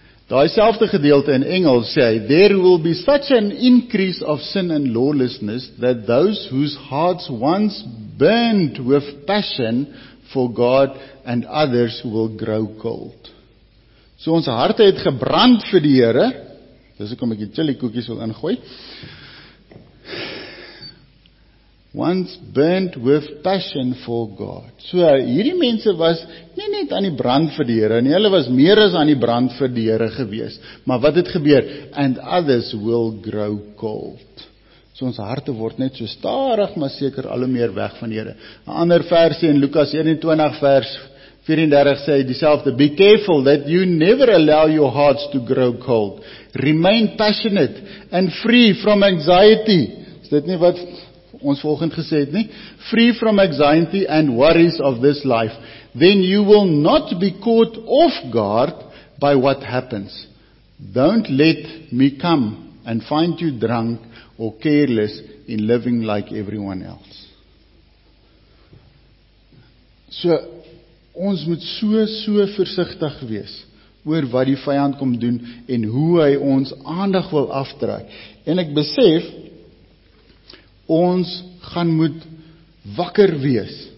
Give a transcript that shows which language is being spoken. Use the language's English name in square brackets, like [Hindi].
[Afrikaans] Daai selfde gedeelte in Engels sê hy, [English] there will be such an increase of sin and lawlessness that those whose hearts once burned with passion for God and others will grow cold. [Afrikaans] So ons harte het gebrand vir die Here. Dis ek om 'n bietjie chili koekies wil ingooi. [English] Once burnt with passion for God. [Afrikaans] So hierdie mense was nie net aan die brand vir die Here nie, hulle was meer as aan die brand vir die Here gewees. Maar wat het gebeur? [English] And others will grow cold. [Afrikaans] So ons harte word net so stadig maar seker al hoe meer weg van die Here. 'N ander versie in Lukas 21 vers 34 sê dieselfde, [English] be careful that you never allow your hearts to grow cold. Remain passionate and free from anxiety. [Afrikaans] Is dit nie wat ons volgend gesê het nie? [English] Free from anxiety and worries of this life. Then you will not be caught off guard by what happens. Don't let me come and find you drunk or careless in living like everyone else. [Afrikaans] So, ons moet so versigtig wees oor wat die vyand kom doen en hoe hy ons aandag wil aftrek. En ek besef, ons gaan moet wakker wees.